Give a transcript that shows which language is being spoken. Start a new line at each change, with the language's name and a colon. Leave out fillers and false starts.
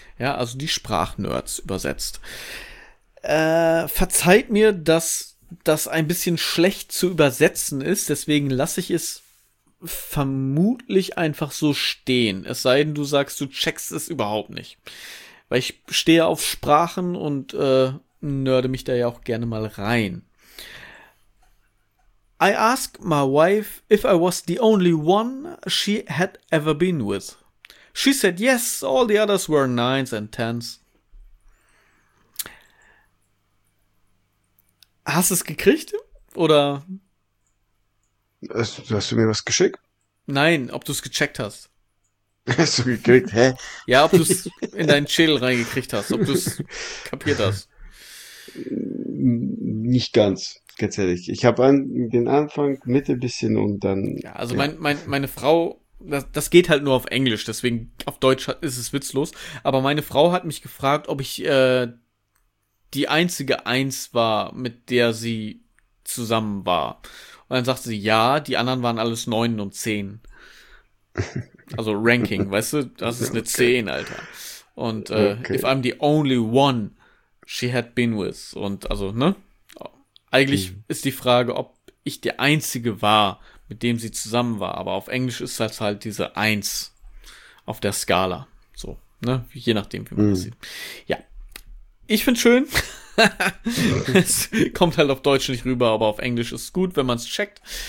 German: Ja, also die Sprachnerds übersetzt. Verzeiht mir, dass das ein bisschen schlecht zu übersetzen ist, deswegen lasse ich es vermutlich einfach so stehen. Es sei denn, du sagst, du checkst es überhaupt nicht. Weil ich stehe auf Sprachen und nerde mich da ja auch gerne mal rein.
English: I asked my wife if I was the only one she had ever been with. She said yes, all the others were nines and tens.
German: Hast du es gekriegt? Oder? Hast du mir was geschickt? Nein, ob du es gecheckt hast. Hast du gekriegt, hä? Ja, ob du es in deinen Schädel reingekriegt hast, ob du es kapiert hast. Nicht ganz, ganz ehrlich. Ich habe den Anfang, Mitte bisschen und dann... Ja, also ja. Meine Frau, das geht halt nur auf Englisch, deswegen auf Deutsch ist es witzlos. Aber meine Frau hat mich gefragt, ob ich die einzige Eins war, mit der sie zusammen war. Und dann sagte sie, ja, die anderen waren alles Neunen und Zehn. Also Ranking, weißt du, das ist eine 10, Alter. Und okay.
English: If I'm the only one she had been with.
German: Und also, ne? Eigentlich ist die Frage, ob ich der Einzige war, mit dem sie zusammen war. Aber auf Englisch ist das halt diese 1 auf der Skala. So, ne? Je nachdem, wie man das sieht. Ja, ich find's schön. Es kommt halt auf Deutsch nicht rüber, aber auf Englisch ist es gut, wenn man es checkt.